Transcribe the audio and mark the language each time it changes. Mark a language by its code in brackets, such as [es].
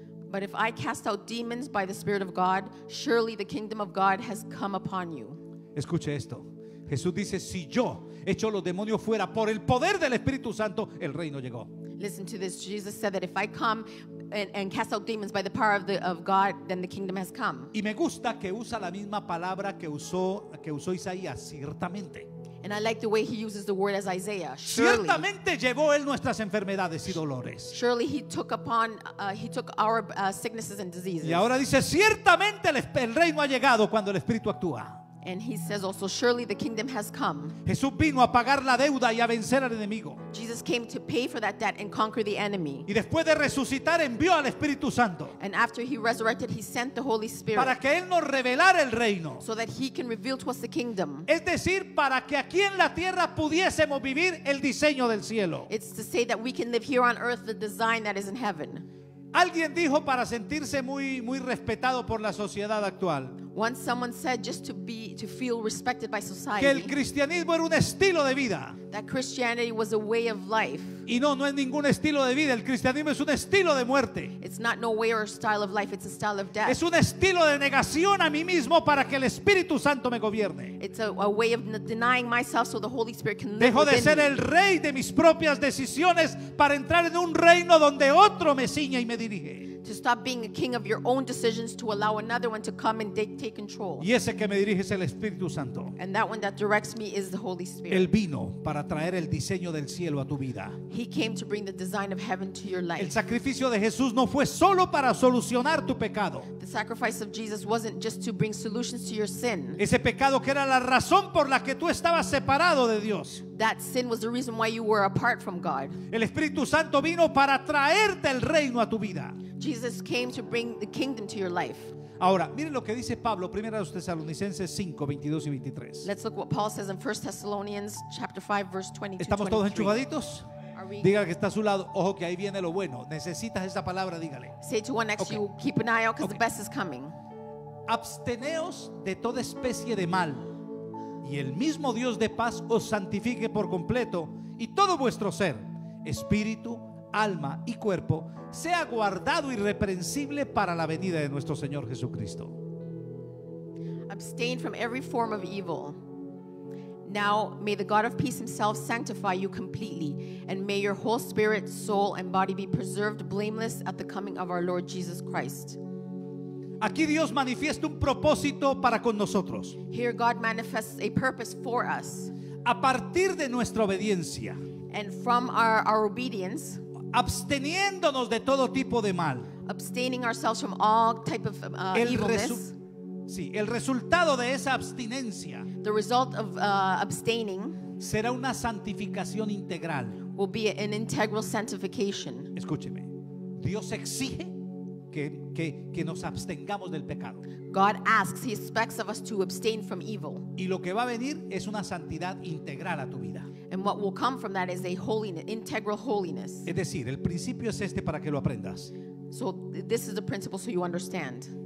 [en] But if I cast out demons by the Spirit of God, surely the kingdom of God has come upon you. [es] Escuche esto. Jesús dice, si yo echo los demonios fuera por el poder del Espíritu Santo, el reino llegó. [en] Listen to this. Jesus said that if I come and cast out demons by the power of God, then the kingdom has come. [es] Y me gusta que usa la misma palabra que usó Isaías, ciertamente. [en] And I like the way he uses the word as Isaiah. Surely, [es] ciertamente llevó él nuestras enfermedades y dolores. [en] Surely he took our sicknesses and diseases. [es] Y ahora dice, ciertamente el reino ha llegado cuando el Espíritu actúa. [en] And he says also, surely the kingdom has come. [es] Jesús vino a pagar la deuda y a vencer al enemigo. [en] Jesus came to pay for that debt and conquer the enemy. [es] Y después de resucitar, envió al Espíritu Santo. [en] And after he resurrected, he sent the Holy Spirit. [es] Para que él nos revelara el reino. [en] So that he can reveal to us the kingdom. [es] Es decir, para que aquí en la tierra pudiésemos vivir el diseño del cielo. [en] It's to say that we can live here on earth the design that is in heaven. [es] Alguien dijo, para sentirse muy muy respetado por la sociedad actual. [en] Once someone said, just to feel respected by society. [es] Que el cristianismo era un estilo de vida. [en] That Christianity was a way of life. [es] Y no es ningún estilo de vida. El cristianismo es un estilo de muerte. [en] It's not no way or style of life. It's a style of death. [es] Es un estilo de negación a mí mismo para que el Espíritu Santo me gobierne. [en] It's a way of denying myself so the Holy Spirit can live. [es] Dejo de ser el rey de mis propias decisiones para entrar en un reino donde otro me ciña y me dirige. [en] To stop being a king of your own decisions to allow another one to come and take control. [es] Y ese que me dirige es el Espíritu Santo. [en] And that one that directs me is the Holy Spirit. [es] Él vino para traer el diseño del cielo a tu vida. [en] He came to bring the design of heaven to your life. [es] El sacrificio de Jesús no fue solo para solucionar tu pecado. [en] The sacrifice of Jesus wasn't just to bring solutions to your sin. [es] Ese pecado que era la razón por la que tú estabas separado de Dios. [en] That sin was the reason why you were apart from God. [es] El Espíritu Santo vino para traerte el reino a tu vida. [en] Jesus came to bring the kingdom to your life. [es] Ahora, miren lo que dice Pablo, 1 Tesalonicenses 5, 22 y 23. [en] Let's look what Paul says in 1 Thessalonians chapter 5, verse 22. [es] ¿Estamos todos enchufaditos? Dígale que está a su lado. Ojo, que ahí viene lo bueno. Necesitas esa palabra, dígale. [en] Say to one next to you, keep an eye out because the best is coming. [es] Absteneos de toda especie de mal, y el mismo Dios de paz os santifique por completo, y todo vuestro ser, espíritu, alma y cuerpo, sea guardado irreprensible para la venida de nuestro Señor Jesucristo. [en] Abstain from every form of evil. Now may the God of peace himself sanctify you completely, and may your whole spirit, soul, and body be preserved blameless at the coming of our Lord Jesus Christ. [es] Aquí Dios manifiesta un propósito para con nosotros. [en] Here God manifests a purpose for us. [es] A partir de nuestra obediencia. [en] And from our obedience. [es] Absteniéndonos de todo tipo de mal. [en] Abstaining ourselves from all type of evilness. [es] El resultado de esa abstinencia. [en] The result of abstaining. [es] Será una santificación integral. [en] Will be an integral sanctification. [es] Escúcheme. Dios exige que nos abstengamos del pecado. [en] God asks, he expects of us to abstain from evil. [es] Y lo que va a venir es una santidad integral a tu vida. [en] And what will come from that is a holiness, integral holiness. [es] Es decir, el principio es este para que lo aprendas. [en] So this is the principle so you understand.